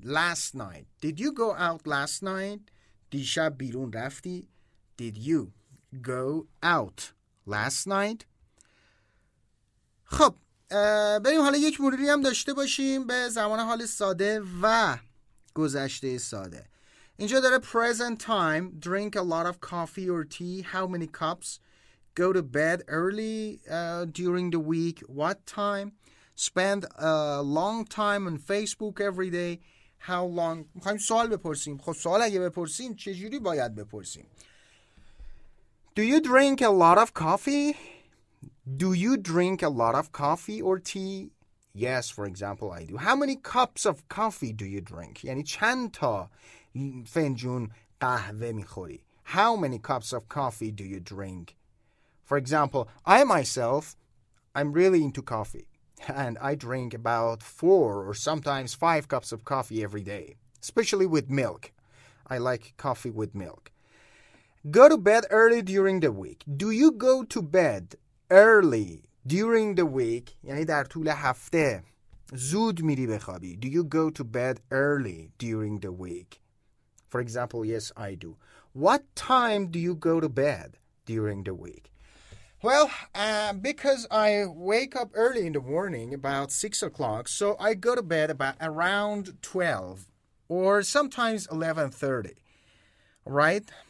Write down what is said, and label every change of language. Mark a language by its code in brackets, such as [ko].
[en] last night، did you go out last night؟ [fa] دیشب بیرون رفتی. [en] did you go out last night؟ [fa] خب بریم حالا یک مروری هم داشته باشیم به زمان حال ساده و گذشته ساده. اینجا داره [en] present time, drink a lot of coffee or tea, how many cups, go to bed early during the week, what time, spend a long time on Facebook every day, how long. [fa] میخواییم سوال بپرسیم. خب سوال اگه بپرسیم چجوری باید بپرسیم؟ [en] Do you drink a lot of coffee? Do you drink a lot of coffee or tea? Yes, for example, I do. How many cups of coffee do you drink? [fa] یعنی چند تا فنجون قهوه میخوری؟ [en] How many cups of coffee do you drink? For example, I'm really into coffee. And I drink about 4 or sometimes 5 cups of coffee every day. Especially with milk. I like coffee with milk. Go to bed early during the week. Do you go to bed early during the week? [fa] یعنی در طول هفته زود میری بخوابی. [en] Do you go to bed early during the week? For example, yes, I do. What time do you go to bed during the week? Well, because I wake up early in the morning, about 6 o'clock, so I go to bed about around 12 or sometimes 11:30, right?